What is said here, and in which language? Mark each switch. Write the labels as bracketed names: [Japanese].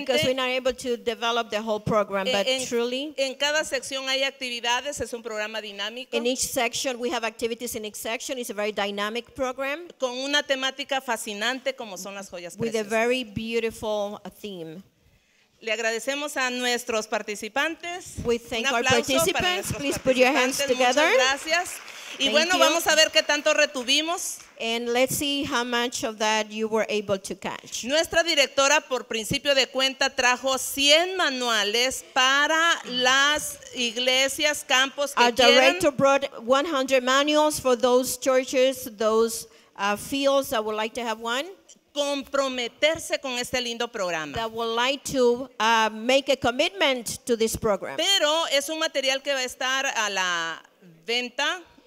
[English] Because we're not able to develop the whole program, but truly. [Spanish] En cada sección hay actividades. Es un programa dinámico. [English] In each section we have activities. In each section it's a very dynamic program. [Spanish] Con una temática fascinante como son las joyas preciosas. [English] With a very beautiful theme. [Spanish] Le agradecemos a nuestros participantes. [English] We thank our participants. Please put your hands together. [Spanish] Muchas gracias. Y bueno, vamos a ver qué tanto retuvimos. [English] And let's see how much of that you were able to catch. [Spanish] Nuestra directora, por principio de cuenta, trajo 100 manuales para las iglesias, campos que quieran. [English] Our director brought 100 manuals for those churches, those fields that would like to have one. [Spanish] Comprometerse con este lindo programa. [English] That would like to make a commitment to this program. [Spanish] Pero es un material que va a estar a la venta.